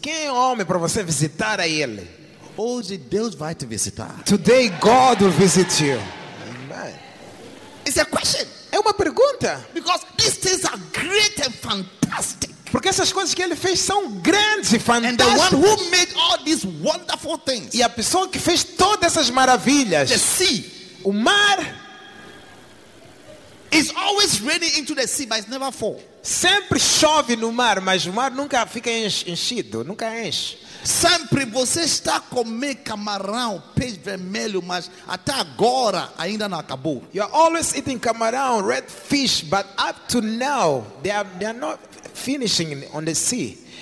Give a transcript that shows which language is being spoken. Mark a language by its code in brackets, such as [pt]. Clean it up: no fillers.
[pt] Quem é o homem para você visitar a ele? Hoje Deus vai te visitar. [en] Today God will visit you. Amen. It's a question. [pt] É uma pergunta. [en] Because these things are great and fantastic. [pt] Porque essas coisas que ele fez são grandes e fantásticas. [en] And the one who made all these wonderful things. [pt] E a pessoa que fez todas essas maravilhas. [en] The sea. [pt] O mar. [en] It's always raining into the sea, but it's never full. [pt] Sempre chove no mar, mas o mar nunca fica enchido, nunca enche. Sempre você está a comer camarão, peixe vermelho, mas até agora ainda não acabou. [en] You are always eating camarão, red fish, but up to now they are not finishing on the sea.